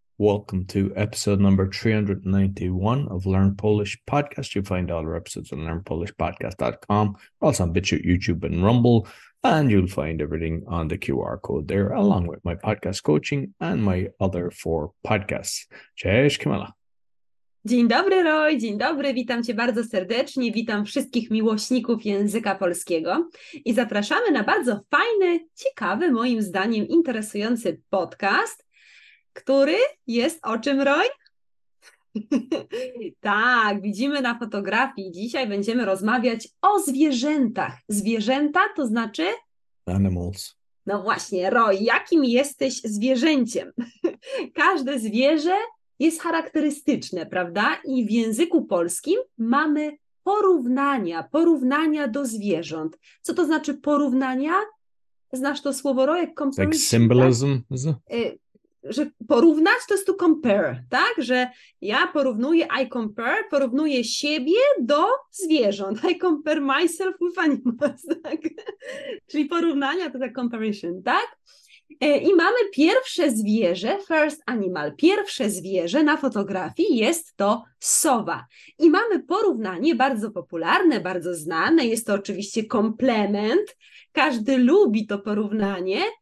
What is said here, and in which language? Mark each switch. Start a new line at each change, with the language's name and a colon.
English: Welcome to episode number 391 of Learn Polish Podcast. You'll find all our episodes on learnpolishpodcast.com, also on BitChute, YouTube, and Rumble, and you'll find everything on the QR code there, along with my podcast coaching and my other four podcasts.
Polish: Cześć, Kamila. Dzień dobry, Roy, dzień dobry, witam Cię bardzo serdecznie, witam wszystkich miłośników języka polskiego i zapraszamy na bardzo fajny, ciekawy, moim zdaniem interesujący podcast. Który jest o czym, Roy? Tak, widzimy na fotografii. Dzisiaj będziemy rozmawiać o zwierzętach. Zwierzęta to znaczy?
English: Animals.
Polish: No właśnie, Roy, jakim jesteś zwierzęciem? Każde zwierzę jest charakterystyczne, prawda? I w języku polskim mamy porównania, porównania do zwierząt. Co to znaczy porównania? Znasz to słowo, Roy?
English: Like symbolism?
Polish: Tak? Że porównać to jest
English: to compare,
Polish: tak? Że ja porównuję,
English: I compare,
Polish: porównuję siebie do zwierząt.
English: I compare myself with animals,
Polish: tak? Czyli porównania to ta comparison, tak? I mamy pierwsze zwierzę,
English: first animal.
Polish: Pierwsze zwierzę na fotografii jest to sowa. I mamy porównanie bardzo popularne, bardzo znane. Jest to oczywiście komplement. Każdy lubi to porównanie.